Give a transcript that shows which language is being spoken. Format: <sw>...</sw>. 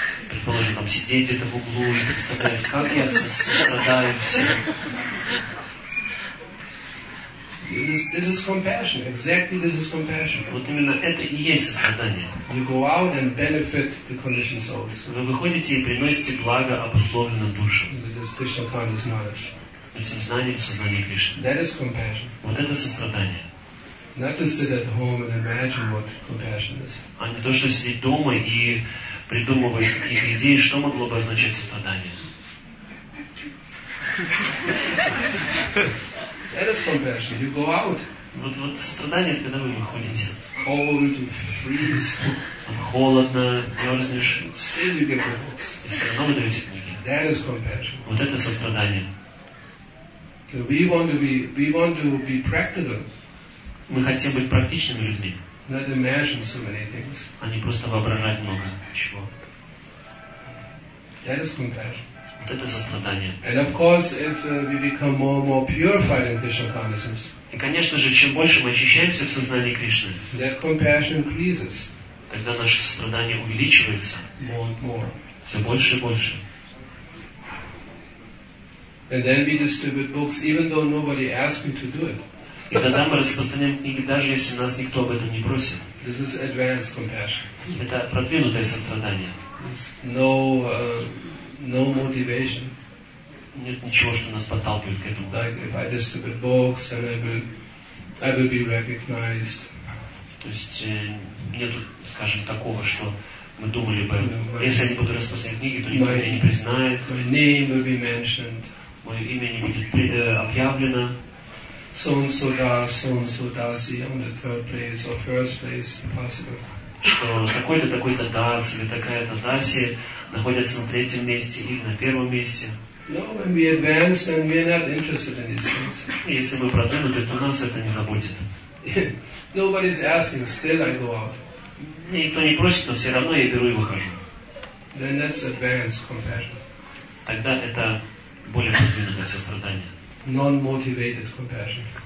<ru>Предположим, там сидеть где-то в углу и представлять, как я сострадаю всем.</ru> <en>This is compassion. Exactly, this is compassion.</en> <ru>Вот именно это и есть сострадание.</ru> <en>You go out and benefit the conditioned souls.</en> <ru>Вы выходите и приносите благо обусловленным душам.</ru> <en>With this Krishna conscious knowledge.</en> <ru>Этим знанием сознания Кришны.</ru> <en>That is compassion.</en> <ru>Вот это сострадание.</ru> <en>Not to sit at home and imagine what compassion is.</en> <ru>А не то, что сидеть дома и придумывать какие-то идеи, что могло бы означать сострадание.</ru> <en>That is compassion. You go out.</en> <ru>Вот сострадание, это когда вы выходите.</ru> <en>Cold, you freeze.</en> <ru>Там холодно, мерзнешь.</ru> <en>Still you get the books.</en> <ru>И все равно вы даете книги.</ru> <en>That is compassion.</en> <ru>Вот это сострадание.</ru> <en>So we want to be practical.</en> <ru>Мы хотим быть практичными людьми.</ru> <en>Not imagine so many things.</en> <ru>А не просто воображать много чего.</ru> <en>That is compassion.</en> <ru>Это сострадание.</ru> <en>And of course, if we become more and more purified in Krishna consciousness.</en> <ru>И конечно же, чем больше мы очищаемся в сознании Кришны.</ru> <en>That compassion increases.</en> <ru>Тогда наше сострадание увеличивается.</ru> <en>More and more.</en> <ru>Все больше и больше.</ru> <en>And then we distribute books, even though nobody asked me to do it.</en> <ru>И тогда мы распространяем книги, даже если нас никто об этом не просит.</ru> <en>This is advanced compassion.</en> <ru>Это продвинутое сострадание.</ru> <en>No motivation.</en> <ru>Нет ничего, что нас подталкивает к этому.</ru> <en>Like if I distribute books, then I will be recognized.</en> <ru>То есть нету, скажем, такого, что мы думали бы, если я не буду распространять книги, то никто меня не признает.</ru> <en>My name will be mentioned.</en> <ru>Мое имя не будет объявлено.</ru> <en>So and so does, so and so does, on the third place or first place, impossible.</en> <ru>Что такой-то дас или такая-то даси находятся на третьем месте или на первом месте.</ru> <en>No, when we advance, then we are not interested in these things.</en> <ru>Если мы продвинуты, то нас это не заботит.</ru> <en>Nobody is asking, still I go out.</en> <ru>Никто не просит, но все равно я беру и выхожу.</ru> <en>Then that's advanced compassion.</en> <ru>Тогда это более продвинутое сострадание.</ru> <en>Non-motivated compassion.</en>